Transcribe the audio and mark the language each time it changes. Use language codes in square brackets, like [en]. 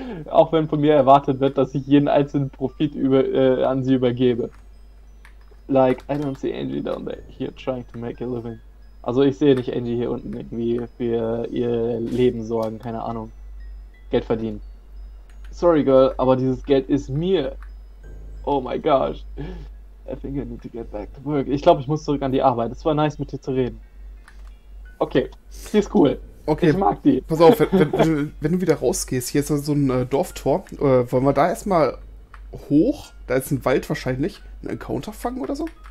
[de] Auch wenn von mir erwartet wird, dass ich jeden einzelnen Profit an sie übergebe. [en] Like, I don't see Angie down there here trying to make a living. [de] Also ich sehe nicht Angie hier unten irgendwie für ihr Leben sorgen, keine Ahnung. Geld verdienen. [en] Sorry, girl, [de] aber dieses Geld ist mir... [en] Oh my gosh. I think I need to get back to work. [de] Ich glaube, ich muss zurück an die Arbeit. Es war nice, mit dir zu reden. Okay, die ist cool. Okay. Ich mag die. Pass auf, wenn du wieder rausgehst, hier ist so also ein Dorftor. Wollen wir da erstmal hoch? Da ist ein Wald wahrscheinlich. Ein Encounter fangen oder so?